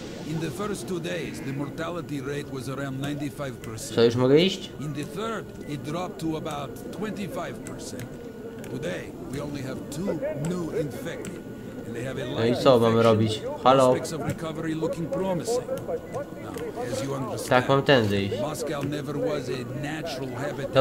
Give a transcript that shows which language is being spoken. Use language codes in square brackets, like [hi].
[en] In the first two days, the mortality rate was around 95%. [pl] So, już mogę iść? [en] In the third, it dropped to about 25%. Today, we only have two new infected, and they have a lot of infection. [pl] No i co mamy robić? Halo? [en] Prospects of recovery looking promising. Now, as you understand, [pl] tak mam tędy iść. [en] Moscow never was a natural habitat.